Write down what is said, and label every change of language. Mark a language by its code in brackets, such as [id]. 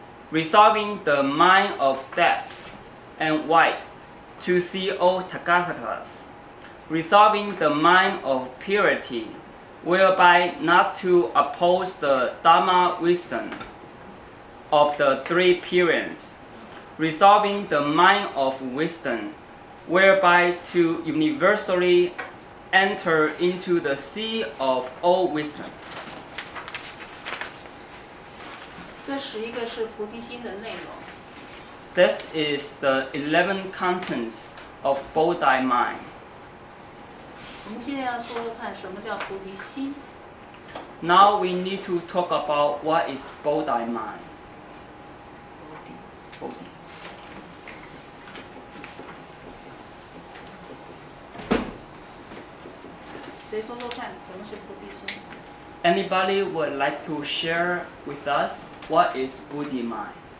[en] resolving the mind of depths and wide to see all Tathagatas, resolving the mind of purity whereby not to oppose the Dharma wisdomof the three periods, resolving the mind of wisdom, whereby to universally enter into the sea of all wisdom. [zh] 这十一个是菩提心的内容。 [en] This is the 11 contents of Bodhi mind. [zh] 我们现在要说说看什么叫菩提心。 [en] Now we need to talk about what is Bodhi mind. [zh] 谁说说看什么是菩提心？ [en] Anybody would like to share with us what is Buddhi mind?